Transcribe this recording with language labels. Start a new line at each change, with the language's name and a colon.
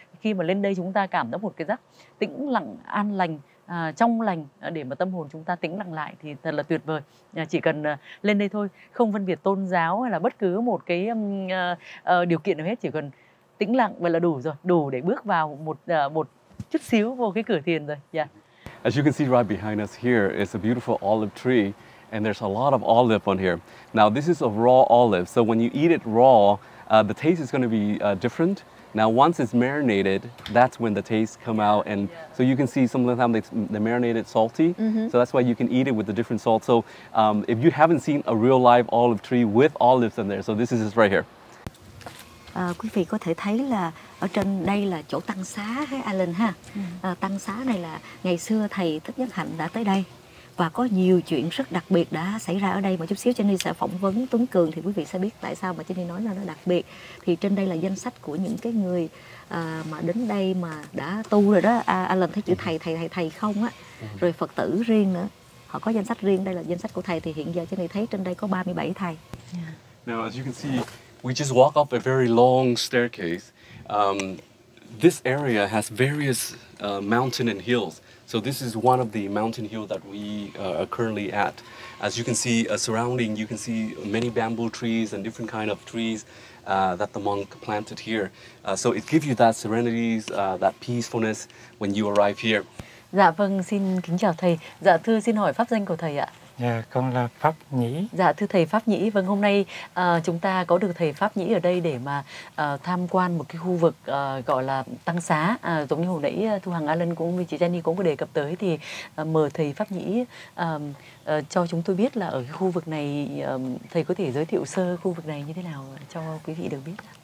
Vietnamese: Khi mà lên đây chúng ta cảm thấy một cái giác tĩnh lặng, an lành, trong lành, để mà tâm hồn chúng ta tĩnh lặng lại thì thật là tuyệt vời. Chỉ cần lên đây thôi, không phân biệt tôn giáo hay là bất cứ một cái điều kiện nào hết, chỉ cần tĩnh lặng vậy là đủ rồi, đủ để bước vào một chút xíu vô cái cửa thiền rồi. Yeah.
English: As you can see right behind us here, it's a beautiful olive tree, and there's a lot of olive on here. Now this is a raw olive, so when you eat it raw, the taste is going to be different. Now, once it's marinated, that's when the taste come out. And so you can see sometimes they marinate it salty. Mm-hmm. So that's why you can eat it with the different salt. So if you haven't seen a real live olive tree with olives in there, so this is just right here.
Vietnamese: Quý vị có thể thấy là ở trên đây là chỗ tăng xá hay Alan ha. Tăng xá này là ngày xưa thầy Thích Nhất Hạnh đã tới đây. Và có nhiều chuyện rất đặc biệt đã xảy ra ở đây. Một chút xíu Jenny sẽ phỏng vấn Tuấn Cường thì quý vị sẽ biết tại sao mà Jenny nói là nó đặc biệt. Thì trên đây là danh sách của những cái người mà đến đây mà đã tu rồi đó. Alan thấy chữ thầy không á. Rồi Phật tử riêng nữa. Họ có danh sách riêng. Đây là danh sách của thầy. Thì hiện giờ Jenny thấy trên đây có 37 thầy.
English: Now as you can see, we just walk up a very long staircase. This area has various mountain and hills. So this is one of the mountain hill that we are currently at. As you can see surrounding, you can see many bamboo trees and different kind of trees that the monk planted here. So it gives you that serenity, that peacefulness when you arrive here.
Vietnamese: Dạ vâng, xin kính chào thầy. Dạ thưa xin hỏi pháp danh của thầy ạ. Dạ, con là Pháp Nhĩ. Dạ, thưa thầy Pháp Nhĩ, vâng, hôm nay chúng ta có được thầy Pháp Nhĩ ở đây để mà tham quan một cái khu vực gọi là tăng xá. Giống như hồi nãy Thu Hằng, Alan cũng như chị Jenny cũng có đề cập tới, thì mời thầy Pháp Nhĩ cho chúng tôi biết là ở cái khu vực này, thầy có thể giới thiệu sơ khu vực này như thế nào cho quý vị được biết.